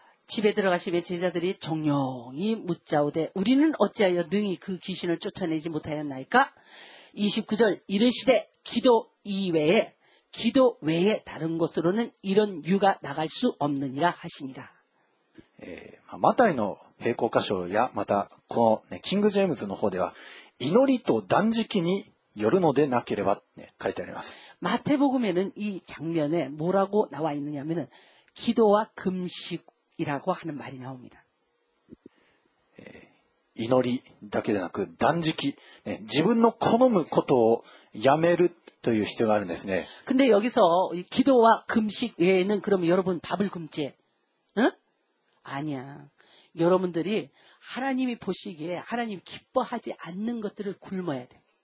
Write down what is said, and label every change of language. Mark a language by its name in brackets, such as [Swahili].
[Korean] 집에들어가시며제자들이종용히묻자오되우리는어찌하여능히그귀신을쫓아내지못하였나이까 ?29 절이르시되기도이외에기도외에다른곳으로는이런유가나갈수없느니라하시니라 [Japanese] 마타이의平行箇所やまたこの、ね、キングジェームズの方では祈りと断食によるのでなければ、ね、書いてあります [Korean] 마태복음에는이장면에뭐라고나와있느냐하면기도와금식이라고하는말이나옵니다 [Japanese] 祈りだけでなく断食、ね、自分の好むことをやめるという必要があるんですね。 [Korean] 근데여기서기도와금식외에는그럼여러분밥을굶지응아니야여러분들이하나님이보시기에하나님이기뻐하지않는것들을굶어야돼